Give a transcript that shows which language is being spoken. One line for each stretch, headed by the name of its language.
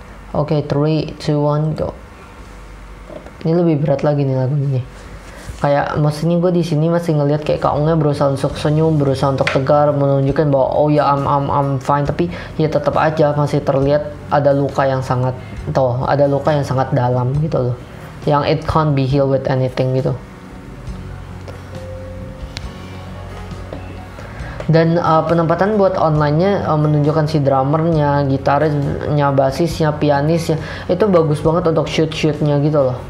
Indonesian: Oke, 3, 2, 1, go. Ini lebih berat lagi nih lagu ini. Kayak maksudnya gue di sini masih ngelihat kayak Kak Unge berusaha untuk senyum, berusaha untuk tegar, menunjukkan bahwa oh ya
English: I'm fine,
Indonesian: tapi ya tetap aja masih terlihat ada luka yang sangat ada luka yang sangat dalam gitu loh.
English: Yang it can't be healed with anything gitu.
Indonesian: Dan penempatan buat online-nya menunjukkan si drummernya, gitarisnya, bassisnya, pianisnya itu bagus banget untuk shoot-shootnya gitu loh.